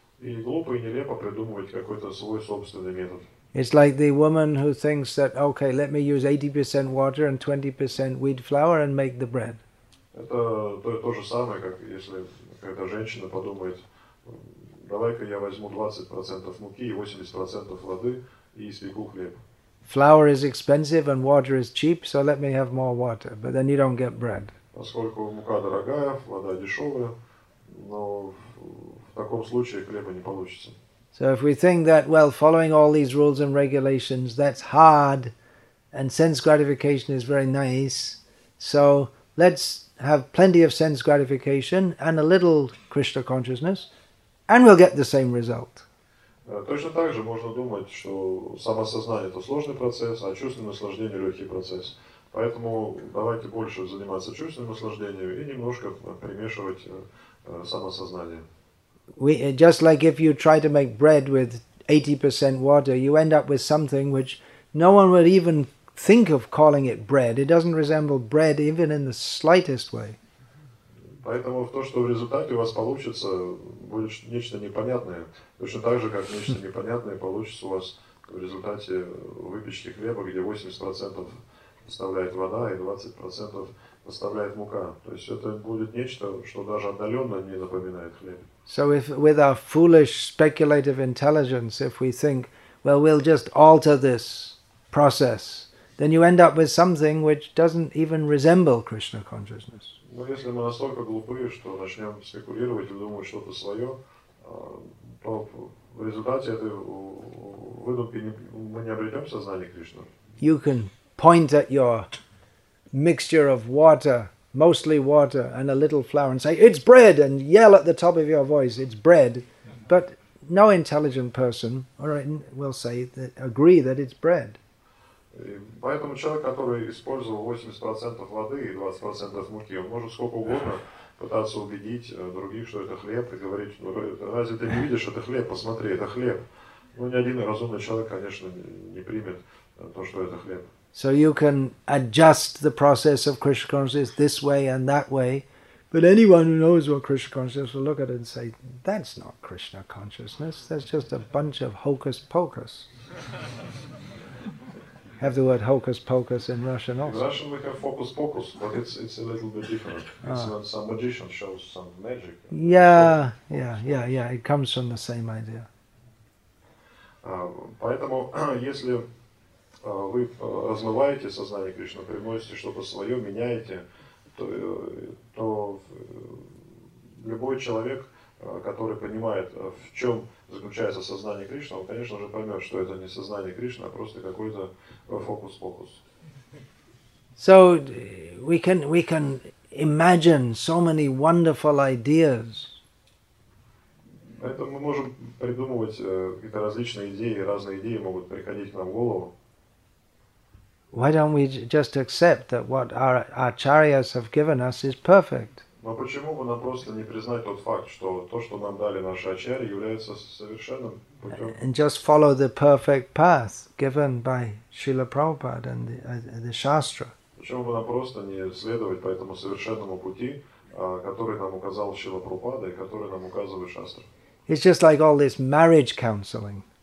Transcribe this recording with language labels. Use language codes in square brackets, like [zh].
[ru] И глупо и нелепо придумывать какой-то свой собственный метод. [en] It's like the woman who thinks that, okay, let me use 80% water and 20% wheat flour and make the bread. [ru] Это то же самое, как если какая-то женщина подумает, давай-ка я возьму 20% муки и 80% воды и испеку хлеб. [en] Flour is expensive and water is cheap, so let me have more water. But then you don't get bread. [ru] Поскольку мука дорогая, вода дешевая, но в таком случае хлеба не получится. [en] So if we think that, well, following all these rules and regulations, that's hard, and sense gratification is very nice, so let's have plenty of sense gratification and a little Krishna consciousness, and we'll get the same result. [ru] Точно так же можно думать, что самосознание – это сложный процесс, а чувственное наслаждение – легкий процесс. Поэтому давайте больше заниматься чувственным наслаждением и немножко примешивать самосознание. [en] Just like if you try to make bread with 80% water, you end up with something which no one would even think of calling it bread. It doesn't resemble bread even in the slightest way. [ru] Поэтому в то, что в результате у вас получится, будет нечто непонятное. Точно так же, как нечто непонятное получится у вас в результате выпечки хлеба, где 80% составляет вода и 20% составляет мука. То есть это будет нечто, что даже отдаленно не напоминает хлеб. [en] So if with our foolish speculative intelligence, if we think, well, we'll just alter this process, then you end up with something which doesn't even resemble Krishna consciousness. [ru] Но если мы настолько глупые, что начнем спекулировать и думать что-то свое, то в результате этой выдумки мы не обретем сознание Кришны. [en] You can point at your mixture of water, mostly water and a little flour, and say, it's bread, and yell at the top of your voice, it's bread. But no intelligent person will agree that it's bread. [ru] Поэтому человек, который использовал 80% воды и 20% муки, он может сколько угодно пытаться убедить других, что это хлеб, и говорить, ну разве ты не видишь, это хлеб, посмотри, это хлеб. Ну ни один разумный человек, конечно, не примет то, что это хлеб. [en] So you can adjust the process of Krishna consciousness this way and that way, but anyone who knows what Krishna consciousness will look at it and say, that's not Krishna consciousness, that's just a bunch of hocus pocus. have the word hocus pocus in Russian also. In Russian we have focus pocus, but it's a little bit different. It's when some magician shows some magic. Yeah. It comes from the same idea. [ru] Поэтому если вы размываете сознание Кришны, приносите что-то свое, меняете, то любой человек, который понимает, в чем заключается сознание Кришны, он, конечно же, поймет, что это не сознание Кришны, а просто какой-то фокус-покус. [en] So we can imagine so many wonderful ideas. [ru] Поэтому мы можем придумывать какие-то различные идеи, разные идеи могут приходить к нам в голову. [en] Why don't we just accept that what our acharyas have given us is perfect? [ru] Но почему бы нам просто не признать тот факт, что то, что нам дали наши ачарьи, является совершенным путем? [en] And just follow the perfect path given by Srila Prabhupada and the Shastra. [ru] Почему бы нам просто не следовать по этому совершенному пути, который нам указал Шрила Прабхупада и который нам указывает Шастра? [en] It's just like all this marriage counseling.